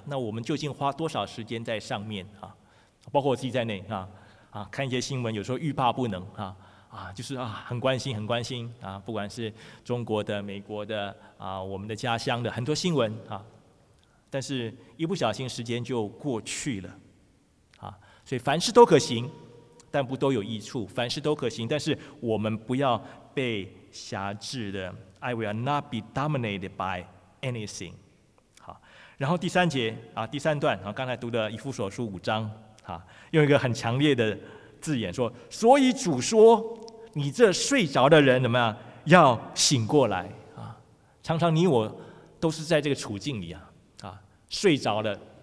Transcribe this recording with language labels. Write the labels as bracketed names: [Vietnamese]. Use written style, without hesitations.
[Chinese] 那我们究竟花多少时间在上面啊？包括我自己在内啊，看一些新闻，有时候欲罢不能啊，就是很关心，很关心啊，不管是中国的、美国的啊，我们的家乡的很多新闻啊，但是一不小心时间就过去了啊。所以凡事都可行，但不都有益处。凡事都可行，但是我们不要被辖制的。 [English] I will not be dominated by anything。 [Chinese] 好，然后第三节啊，第三段啊，刚才读的以弗所书五章啊，用一个很强烈的字眼说，所以主说，你这睡着的人怎么样，要醒过来啊。常常你我都是在这个处境里啊，睡着了。